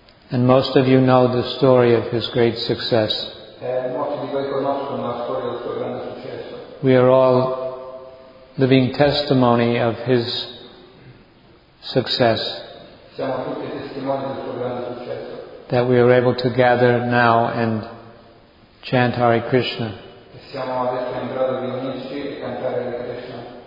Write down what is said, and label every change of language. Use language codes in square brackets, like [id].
[en] And most of you know the story of his great success. [it] Molti di voi conoscono la storia del suo grande successo. [en] We are all living testimony of his success. [it] Siamo tutti testimoni del suo grande successo. [en] That we are able to gather now and chant Hare Krishna. [it] Siamo adesso in grado di unirci e cantare Hare Krishna.